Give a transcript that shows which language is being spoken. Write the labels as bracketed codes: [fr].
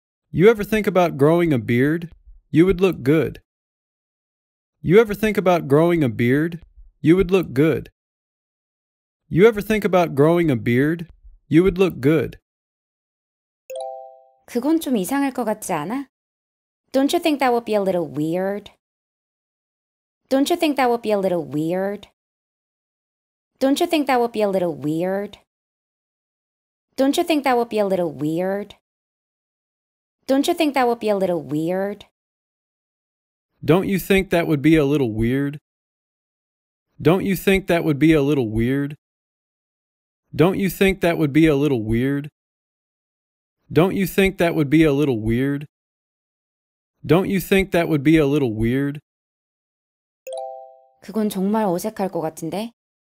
[en] You ever think about growing a beard? You would look good. You ever think about growing a beard? You would look good. You ever think about growing a beard? You would look good. [ko] 그건 좀 이상할 것 같지 않아? [en] Don't you think that would be a little weird? Don't you think that would be a little weird? Don't you think that would be a little weird? Don't you think that would be a little weird? Don't you think that would be a little weird? Don't you think that would be a little weird? Don't you think that would be a little weird? Don't you think that would be a little weird? Don't you think that would be a little weird? Don't you think that would be a little weird? [ko] 그건 정말 어색할 것 같은데?